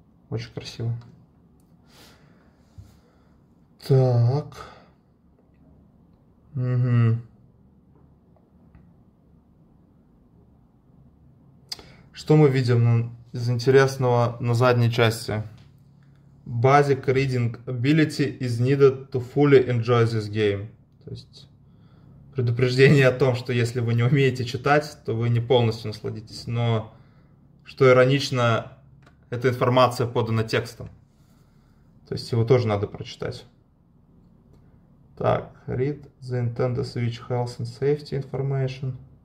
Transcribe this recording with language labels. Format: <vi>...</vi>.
<ru>Очень красиво. Так. Что мы видим из интересного на задней части?</ru> <en>Basic reading ability is needed to fully enjoy this game.</en> <ru>То есть предупреждение о том, что если вы не умеете читать, то вы не полностью насладитесь. Но, что иронично, эта информация подана текстом. То есть его тоже надо прочитать.</ru> <en>Так, read the Nintendo Switch health and safety information.</en>